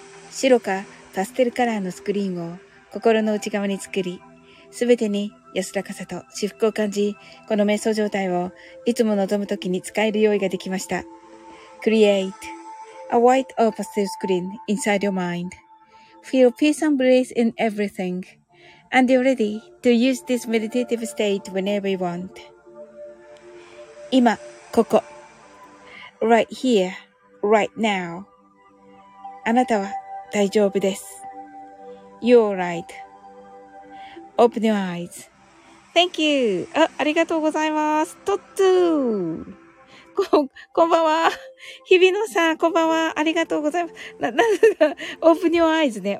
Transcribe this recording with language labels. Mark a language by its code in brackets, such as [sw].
[ja] 白かパステルカラーのスクリーンを心の内側に作り、すべてに安らかさと至福を感じ、この瞑想状態をいつも望むときに使える用意ができました。 [en] Create a white or pastel screen inside your mind. Feel peace and bliss in everything. And you're ready to use this meditative state whenever you want. [ja] 今、ここ。 [en] Right here, right now. [ja] あなたは大丈夫です。 [en] You're right. Open your eyes. Thank you. [ja] あ、ありがとうございます。トッツー。こんばんは。日比野さん、こんばんは。ありがとうございます。なんだ、 [en] Open your eyes [ja] ね。